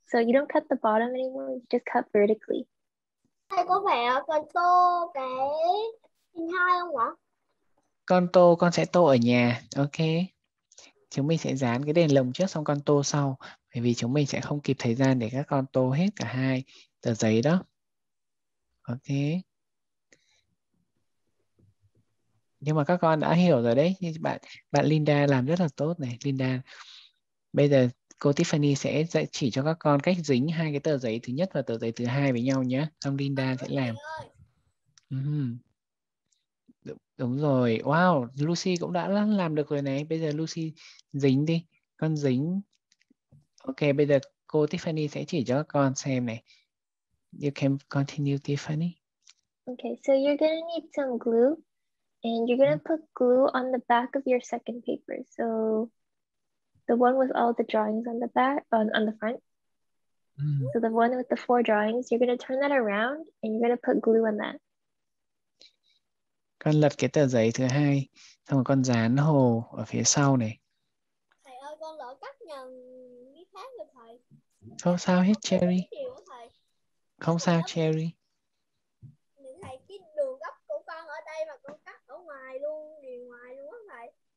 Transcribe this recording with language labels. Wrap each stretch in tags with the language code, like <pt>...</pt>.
<en>So you don't cut the bottom anymore, you just cut vertically.</en> <vi>Thầy có vẻ con tô cái hình hai không ạ? Con tô, con sẽ tô ở nhà, ok. Chúng mình sẽ dán cái đèn lồng trước xong con tô sau. Bởi vì chúng mình sẽ không kịp thời gian để các con tô hết cả hai tờ giấy đó. Ok. Nhưng mà các con đã hiểu rồi đấy. Bạn Linda làm rất là tốt này. Linda. Bây giờ cô Tiffany sẽ dạy chỉ cho các con cách dính hai cái tờ giấy thứ nhất và tờ giấy thứ hai với nhau nhé. Xong Linda sẽ làm. Đúng rồi, wow, Lucy cũng đã làm được rồi này. Bây giờ Lucy dính đi, con dính. Ok, bây giờ cô Tiffany sẽ chỉ cho con xem này.</vi> <en>You can continue, Tiffany. Okay, so you're gonna need some glue, and you're gonna put glue on the back of your second paper. So the one with all the drawings on the back, on the front. So the one with the four drawings, you're gonna turn that around, and you're gonna put glue on that.</en> <vi>Con lật cái tờ giấy thứ hai, xong rồi con dán hồ ở phía sau này. Thầy ơi, con lỡ cắt nhầm cái khác rồi thầy. Không sao hết, Cherry. Không sao, Cherry. Thầy, cái đường gấp của con ở đây mà con cắt ở ngoài luôn, đi ngoài luôn á thầy.</vi>